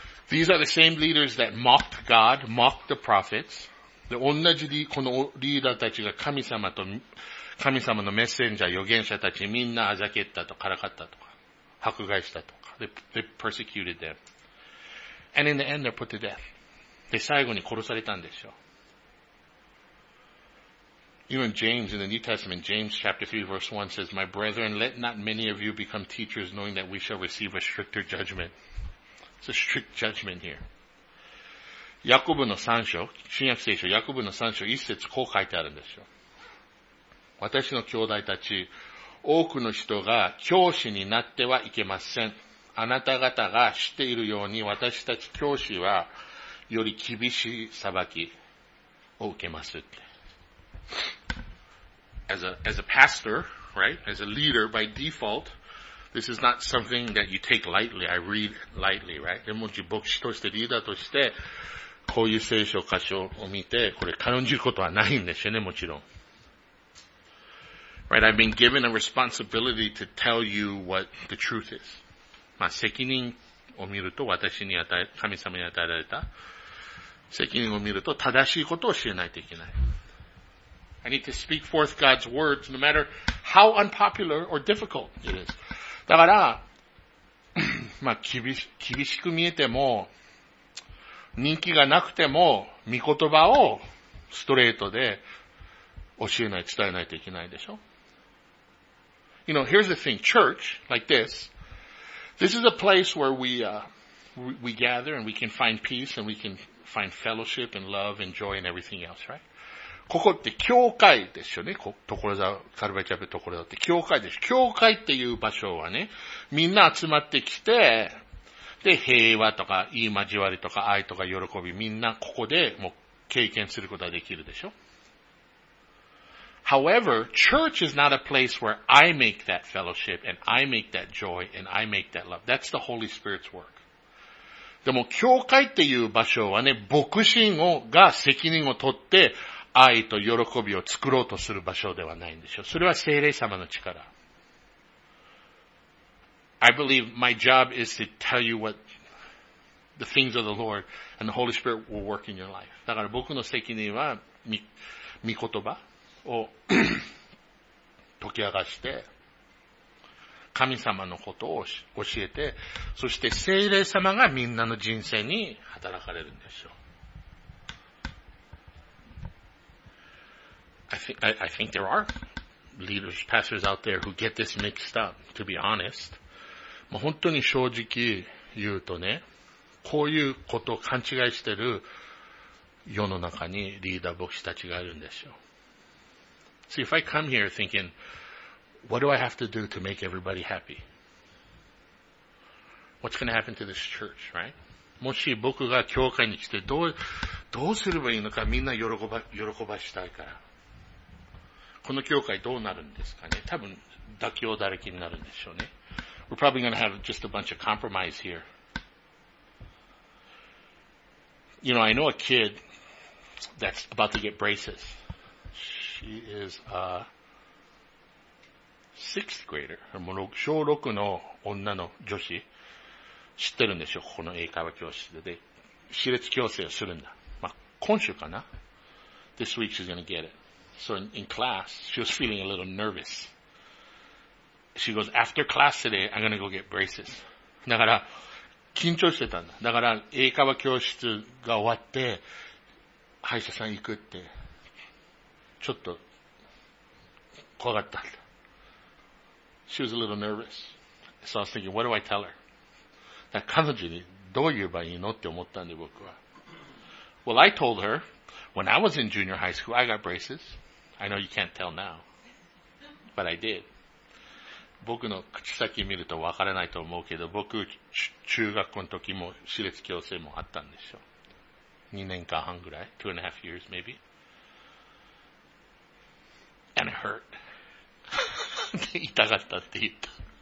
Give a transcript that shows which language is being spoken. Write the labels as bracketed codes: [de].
[en] These are the same leaders that mocked God, mocked the prophets. [ja] で、同じこのリーダーたちが神様のメッセンジャー、預言者たちみんなあざけったとからかったとか、迫害したとか、 [en] they persecuted them. And in the end, they're put to death. [ja] で、最後に殺されたんでしょう。 [en] Even James, in the New Testament, James chapter 3 verse 1 says, My brethren, let not many of you become teachers, knowing that we shall receive a stricter judgment. It's a strict judgment here. [ja] ヤコブの三章、新約聖書、ヤコブの三章、一節こう書いてあるんですよ。私の兄弟たち、多くの人が教師になってはいけません。あなた方が知っているように、私たち教師はより厳しい裁きを受けますって。 [en] As a pastor, right? As a leader, by default, this is not something that you take lightly. I read lightly, right? [ja] でも、牧師としてリーダーとして、こういう聖書箇所を見て、これ軽んじることはないんですよね、もちろん。 [en] Right? I've been given a responsibility to tell you what the truth is. [ja] まあ、責任を見ると、私に与え、神様に与えられた責任を見ると、正しいことを教えないといけない。 [en] I need to speak forth God's words, no matter how unpopular or difficult it is. [ja] だから、まあ厳しく見えても、人気がなくても、御言葉をストレートで教えない、伝えないといけないでしょ。 [en] You know, here's the thing. Church, like this, this is a place where we gather and we can find peace and we can find fellowship and love and joy and everything else, right? [ja] ここって教会ですよね。ところだ、カルバチャペところだって教会です。教会っていう場所はね、みんな集まってきて、で、平和とか、いい交わりとか、愛とか、喜び、みんなここでもう経験することができるでしょ。 [en] However, church is not a place where I make that fellowship, and I make that joy, and I make that love. That's the Holy Spirit's work. [ja] でも、教会っていう場所はね、牧師が責任を取って、愛と喜びを作ろうとする場所ではないんでしょう。それは聖霊様の力。 [en] I believe my job is to tell you what the things of the Lord and the Holy Spirit will work in your life. [ja] だから僕の責任は、御言葉を解き明かして、神様のことを教えて、そして聖霊様がみんなの人生に働かれるんでしょう。 [en] I think there are leaders, pastors out there who get this mixed up, to be honest. [ja] まあ、本当に正直言うとね、こういうことを勘違いしてる世の中にリーダー牧師たちがいるんでしょう。 [en] So if I come here thinking,What do I have to do to make everybody happy? What's going to happen to this church, right? [ja] もし僕が教会に来てどうすればいいのか、みんな喜ばしたいから。この教会どうなるんですかね。多分妥協だらけになるんでしょうね。 [en] We're probably going to have just a bunch of compromise here. You know, I know a kid that's about to get braces. She is a sixth grader, [ja] 小六の女の女子、知ってるんでしょ、ここの英会話教室で。で、歯列矯正をするんだ。まあ、今週かな。 [en] This week she's gonna get it. So in class, she was feeling a little nervous. She goes, after class today, I'm gonna go get braces. [ja] だから、緊張してたんだ。だから、英会話教室が終わって、歯医者さん行くって、ちょっと、怖かった。 [en] She was a little nervous. So I was thinking, what do I tell her? [ja] 彼女にどう言えばいいのって思ったんで僕は。 [en] Well, I told her, when I was in junior high school, I got braces. I know you can't tell now, but I did. [ja] 僕の口先見るとわからないと思うけど、僕、中学校の時も歯列矯正もあったんでしょ。 2年間半ぐらい、 [en] two and a half years maybe. And it hurt. [ja] 痛かったって言った。